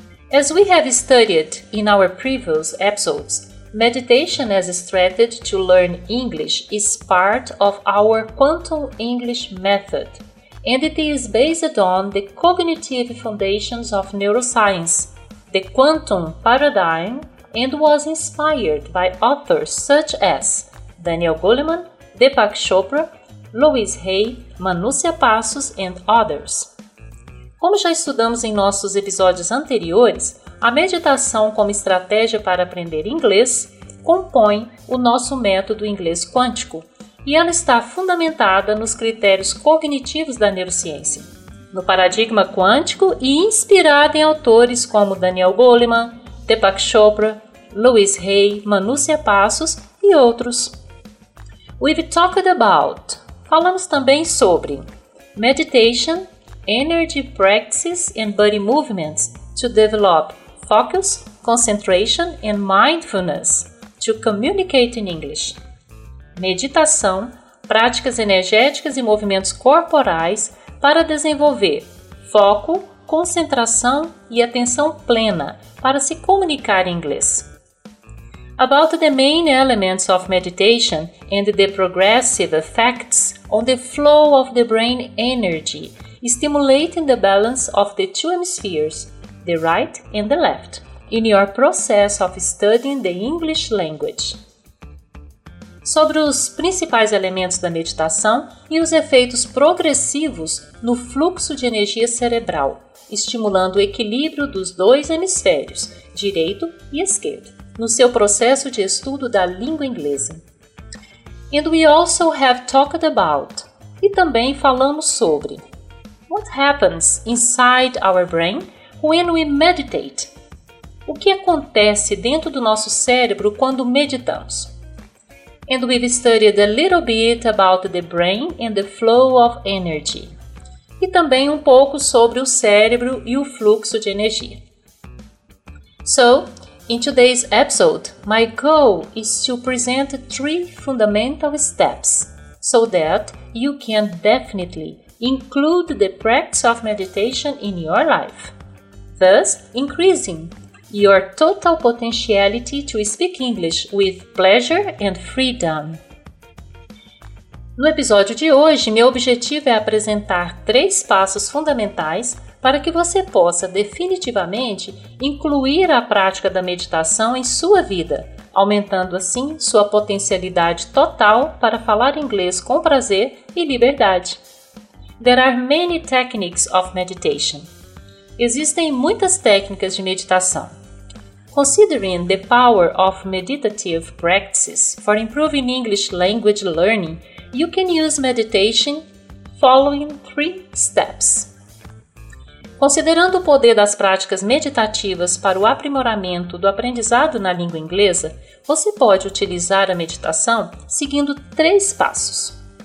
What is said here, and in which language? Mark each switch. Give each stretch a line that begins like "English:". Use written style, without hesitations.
English: As we have studied in our previous episodes, meditation as a strategy to learn English is part of our Quantum English method, and it is based on the cognitive foundations of neuroscience, the quantum paradigm, and was inspired by authors such as Daniel Goleman, Deepak Chopra, Louise Hay, Manúcia Passos, and others.
Portuguese: Como já estudamos em nossos episódios anteriores, a meditação como estratégia para aprender inglês compõe o nosso método inglês quântico e ela está fundamentada nos critérios cognitivos da neurociência, no paradigma quântico e inspirada em autores como Daniel Goleman, Deepak Chopra, Louise Hay, Manúcia Passos e outros.
English: We've talked about,
Portuguese: falamos também sobre,
English: meditation, energy practices and body movements to develop focus, concentration and mindfulness to communicate in English.
Portuguese: Meditação, práticas energéticas e movimentos corporais para desenvolver foco, concentração e atenção plena para se comunicar em inglês.
English: About the main elements of meditation and the progressive effects on the flow of the brain energy, stimulating the balance of the two hemispheres, the right and the left, in your process of studying the English language.
Portuguese: Sobre os principais elementos da meditação e os efeitos progressivos no fluxo de energia cerebral, estimulando o equilíbrio dos dois hemisférios, direito e esquerdo, no seu processo de estudo da língua inglesa.
English: And we also have talked about,
Portuguese: e também falamos sobre,
English: what happens inside our brain when we meditate?
Portuguese: O que acontece dentro do nosso cérebro quando meditamos?
English: And we've studied a little bit about the brain and the flow of energy.
Portuguese: E também um pouco sobre o cérebro e o fluxo de energia.
English: So, in today's episode, my goal is to present three fundamental steps so that you can definitely include the practice of meditation in your life, thus increasing your total potentiality to speak English with pleasure and freedom.
Portuguese: No episódio de hoje, meu objetivo é apresentar três passos fundamentais para que você possa definitivamente incluir a prática da meditação em sua vida, aumentando assim sua potencialidade total para falar inglês com prazer e liberdade.
English: There are many techniques of meditation.
Portuguese: Existem muitas técnicas de meditação.
English: Considering the power of meditative practices for improving English language learning, you can use meditation following three steps.
Portuguese: Considerando o poder das práticas meditativas para o aprimoramento do aprendizado na língua inglesa, você pode utilizar a meditação seguindo três passos.